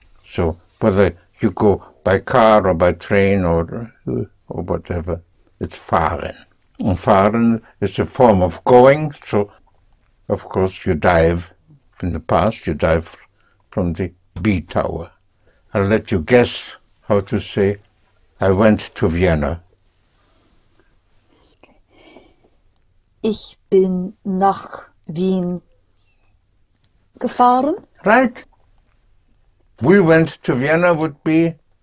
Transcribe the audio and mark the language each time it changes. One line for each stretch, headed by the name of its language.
English: So whether you go by car or by train or whatever, it's fahren. And fahren is a form of going, so of course you dive in the past, you dive from the B tower. I'll let you guess how to say, I went to Vienna.
German: Ich bin nach Wien gefahren.
English: Right. We went to Vienna would be